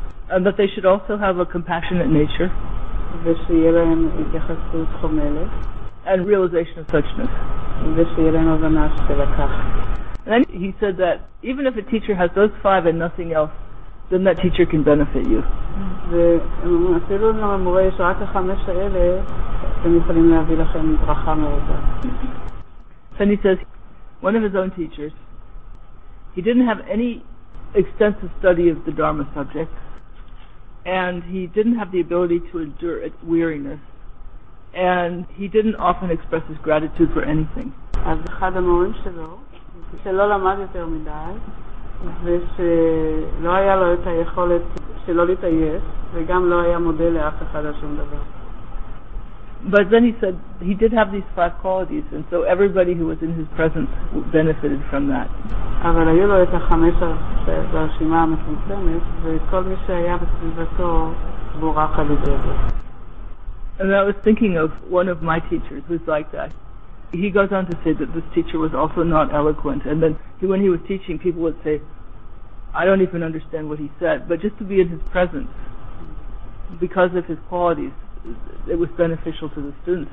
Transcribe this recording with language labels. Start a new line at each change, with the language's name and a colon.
English: And that they should also have a compassionate nature.
Hebrew: ושיהיה להם התייחסות חומלת.
English: And realization of suchness.
Hebrew: ושיהיה להם הבנה של הכך.
English: And then he said that even if a teacher has those 5 and nothing else, then that teacher can benefit you.
Hebrew: ואפילו אם למורה יש רק 5 האלה, אתם יכולים להביא לכם ברכה מרובה.
English: And he says, one of his own teachers, he didn't have any extensive study of the Dharma subject, and he didn't have the ability to endure its weariness, and he didn't often express his gratitude for anything.
Hebrew: אז אחד המורים שלו, שלא למד יותר מדי, ושלא היה לו את היכולת שלא להתעייף, וגם לא היה מודה לאף אחד על שום דבר.
English: But then he said he did have these 5 qualities, and so everybody who was in his presence benefited from that.
Hebrew: אבל היו לו את החמש ברשימה המצומצמת, וכל מי שהיה בסביבתו בורח על ידי זה.
English: And I was thinking of one of my teachers who's like that. He goes on to say that this teacher was also not eloquent, and then when he was teaching, people would say, I don't even understand what he said, but just to be in his presence, because of his qualities, it was beneficial to the students.